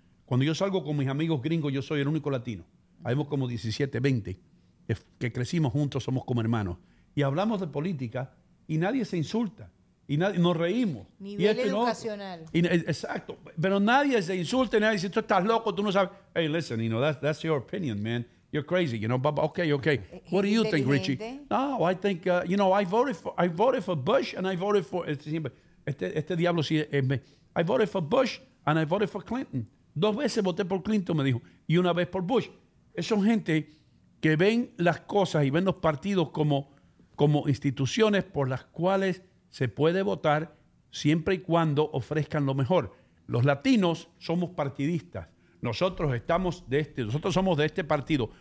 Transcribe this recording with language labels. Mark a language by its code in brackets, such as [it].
[es] Cuando yo salgo con mis amigos gringos, yo soy el único latino. Habemos como 17, 20, que crecimos juntos, somos como hermanos. Y hablamos de política y nadie se insulta. Nos reímos. Nivel educacional. Pero nadie se insulta, nadie dice, tú estás loco, tú no sabes. [en] Hey, listen, you know, that's your opinion, man. You're crazy, you know. Okay. What do you think, Richie? No, I think, you know, I voted for Bush and I voted for Clinton. [es] Dos veces voté por Clinton, me dijo, y una vez por Bush. Son gente que ven las cosas y ven los partidos como instituciones por las cuales se puede votar siempre y cuando ofrezcan lo mejor. Los latinos somos partidistas. Nosotros somos de este partido.